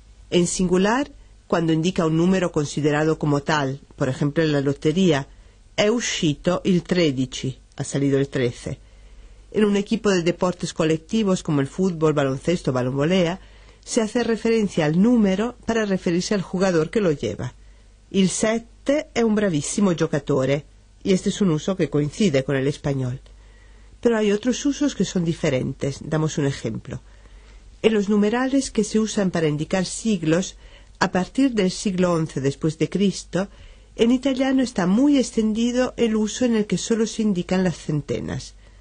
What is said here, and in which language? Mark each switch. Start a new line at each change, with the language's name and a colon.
Spanish: En singular, cuando indica un número considerado como tal, por ejemplo en la lotería,
Italian: è uscito il 13,
Spanish: ha salido el 13. En un equipo de deportes colectivos como el fútbol, baloncesto, balonvolea, se hace referencia al número para referirse al jugador que lo lleva.
Italian: Il 7 è un bravissimo giocatore.
Spanish: Y este es un uso que coincide con el español. Pero hay otros usos que son diferentes. Damos un ejemplo. En los numerales que se usan para indicar siglos, a partir del siglo XI después de Cristo, en italiano está muy extendido el uso en el que solo se indican las centenas.